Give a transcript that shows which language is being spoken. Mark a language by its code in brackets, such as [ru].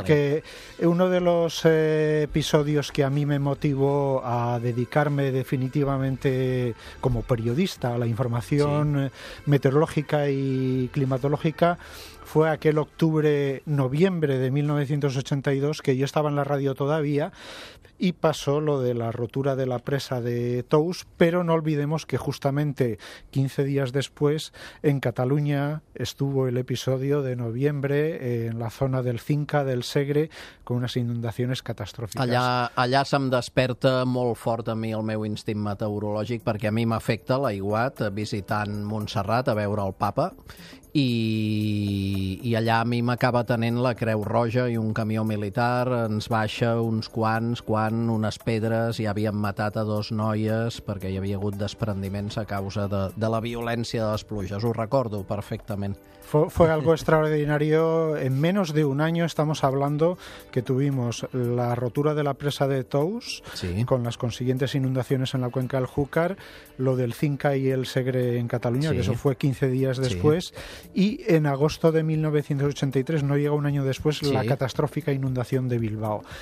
[es] Porque uno de los episodios que a mí me motivó a dedicarme definitivamente como periodista a la información, sí, meteorológica y climatológica, fue aquel octubre-noviembre de 1982, que yo estaba en la radio todavía, y pasó lo de la rotura de la presa de Tous, pero no olvidemos que justamente 15 días después, en Cataluña, estuvo el episodio de noviembre en la zona del Cinca, del Segre, con unas inundaciones catastróficas. [ca] Allà se'm desperta molt fort a mi el meu instint meteorològic, perquè a mi m'afecta l'aiguat visitant Montserrat a veure el Papa, I allà a mi m'acaba tenent la Creu Roja i un camió militar, ens baixa uns quants, unes pedres, i havien matat a dos noies perquè hi havia hagut desprendiments a causa de la violència de les pluges. Ho recordo perfectament. [es] Fue algo extraordinario. En menos de un año estamos hablando que tuvimos la rotura de la presa de Tous, sí, con las consiguientes inundaciones en la cuenca del Júcar, lo del Cinca y el Segre en Cataluña, sí, que eso fue 15 días después, sí. Y en agosto de 1983, no llega un año después, sí, la catastrófica inundación de Bilbao.